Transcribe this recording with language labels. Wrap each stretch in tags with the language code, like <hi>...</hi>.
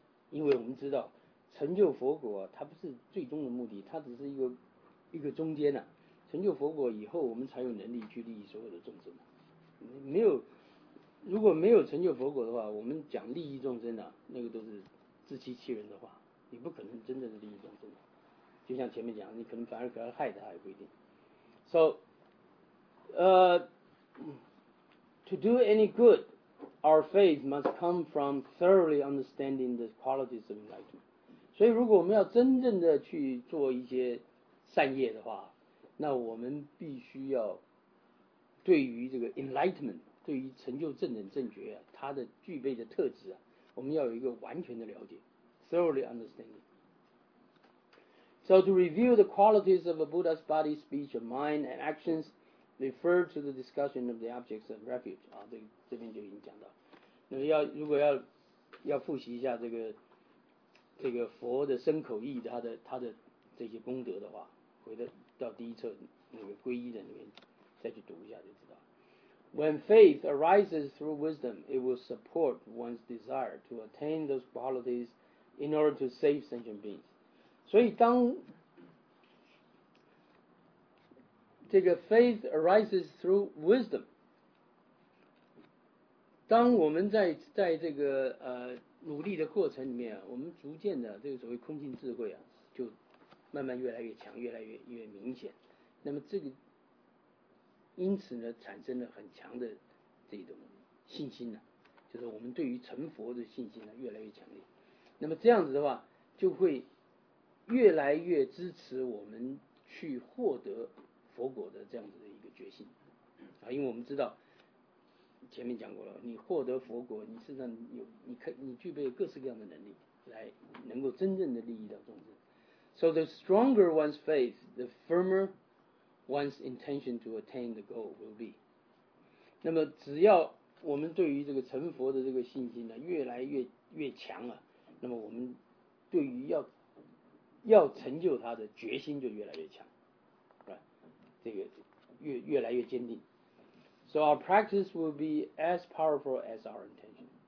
<zh>因为我们知道成就佛果啊，它不是最终的目的，它只是一个中间啊，成就佛果以后，我们才有能力去利益所有的众生。如果没有成就佛果的话，我们讲利益众生的、那个都是自欺欺人的话，你不可能真正的利益众生。就像前面讲，你可能反而可能害他也不一定。</zh> <en>So, to do any good, our faith must come from thoroughly understanding the qualities of enlightenment.</en> <zh>所以，如果我们要真正的去做一些善业的话，那我们必须要对于这个 enlightenment， 对于成就正等正觉啊，它的具备的特质啊，我们要有一个完全的了解 ，</zh> <en>thoroughly understanding。 So to review the qualities of a Buddha's body, speech, mind, and actions, refer to the discussion of the objects of refuge。</en> <zh>啊，这边就已经讲到，那么如果要复习一下这个佛的身口意，他的这些功德的话，回的。到第一册那个皈依的里面再去读一下就知道。</zh> <en>When faith arises through wisdom, it will support one's desire to attain those qualities in order to save sentient beings.</en> <zh>所以当这个</zh> <en>faith arises through wisdom，</en> <zh>当我们在这个努力的过程里面、啊、我们逐渐的这个所谓空性智慧啊，就慢慢越来越强，越来越明显。那么这个因此呢，产生了很强的这种信心呢、啊，就是我们对于成佛的信心呢、啊、越来越强烈。那么这样子的话，就会越来越支持我们去获得佛果的这样子的一个决心啊，因为我们知道。前面讲过了，你获得佛果，你身上有，你可你具备各式各样的能力，来能够真正的利益到众生。</zh> <en>So the stronger one's faith, the firmer one's intention to attain the goal will be.</en> <zh>那么只要我们对于这个成佛的这个信心呢，越来越强了、啊，那么我们对于要成就它的决心就越来越强，是吧？这个越来越坚定。</zh> <en>So our practice will be as powerful as our intention.</en>